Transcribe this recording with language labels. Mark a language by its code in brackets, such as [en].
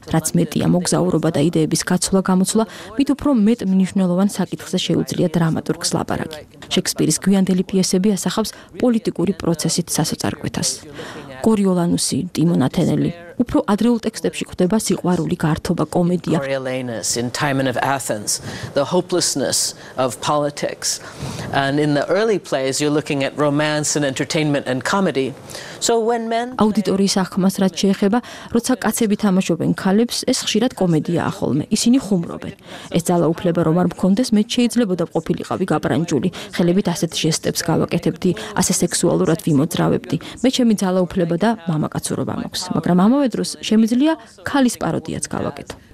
[ka] რაც მეტია მოგზაურობა და იდეების გაცვლა გამოცვლა, მით უფრო მეტ მნიშვნელოვან საკითხზე შეუძლია დრამატურგს ლაპარაკი. შექსპირის გვიანდელი პიესები ასახავს პოლიტიკური პროცესით სასოწარკვეთას. კორიოლანუსი, ტიმონ ათენელი. Უფრო ადრეულ ტექსტებში ხვდება სიყვარული, გართობა, კომედია. [en] Coriolanus in Timon of Athens, the hopelessness of politics. And in the early plays you're looking at romance and entertainment and comedy. So when men [ka] აუდიტორიის ახმას რაც შეეხება, როცა კაცები თამაშობენ ქალებს, ეს ხშირად კომედიაა ხოლმე. ისინი ხუმრობენ. ეს ძალაუფლება რომ არ მქონდეს, მე შეიძლებოდა ყოფილიყავი გაბრანჯული. ხელებით ასეთ ჟესტებს გავაკეთებდი, ასე სექსუალურად ვიმოძრავებდი. მე ჩემი ძალაუფლება და მამაკაცურობა მაქვს, მაგრამ ამავე დროს შემიძლია ქალის პაროდიაც გავაკეთო.